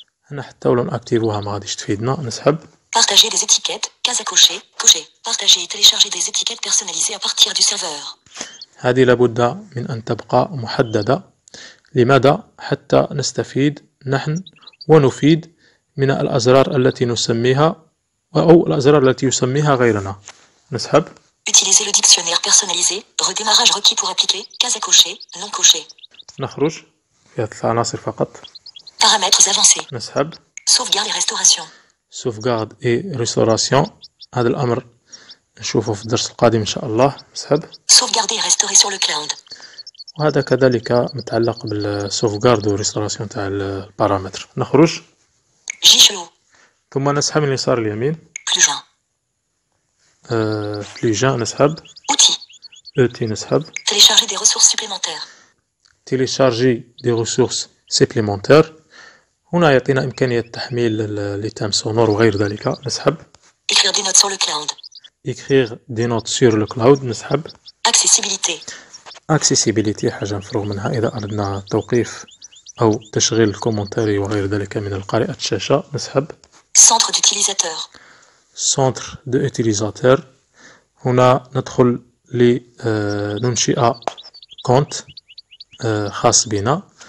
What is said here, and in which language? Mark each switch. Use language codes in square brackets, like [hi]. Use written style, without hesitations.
[ar] هنا حتى ولو نأكتيفوها ما غاديش تفيدنا. نسحب. [fr] Partager des étiquettes. Case à cocher. Cocher. Partager et télécharger des étiquettes personnalisées à partir du serveur. [ar] هذه لابد من أن تبقى محددة. لماذا؟ حتى نستفيد نحن ونفيد من الأزرار التي نسميها أو الأزرار التي يسميها غيرنا. نسحب. [fr] Utiliser le dictionnaire personnalisé, redémarrage requis pour appliquer, case à cocher, non cocher. [ar] نخرج. في العناصر فقط. [fr] Paramètres avancés. [ar] نسحب. [fr] Sauvegarde et restauration. Sauvegarde et restauration. [ar] هذا الأمر نشوفه في الدرس القادم إن شاء الله. نسحب. [fr] Sauvegarder et restaurer sur le cloud. [ar] وهذا كذلك متعلق بال sauvegarde و restauration تاع البارامتر. نخرج. Jicho. ثم نسحب من اليسار اليمين. [fr] Plus loin. Plus [ar] نسحب. [fr] Outils. [ar] نسحب. [fr] Télécharger des ressources supplémentaires. Télécharger des ressources supplémentaires. [ar] هنا يعطينا إمكانية تحميل الليتام سونور وغير ذلك. نسحب. [fr] Écrire des notes sur le cloud. Écrire des notes sur le cloud. [ar] نسحب. [fr] Accessibilité. [ar] Accessibility حاجة نفرغ منها إذا أردنا توقيف أو تشغيل الكومنتاري وغير ذلك من القارئة الشاشة. نسحب. [fr] Centre d'utilisateur. Centre d'utilisateur. [ar] هنا ندخل لننشئ كونت خاص بنا.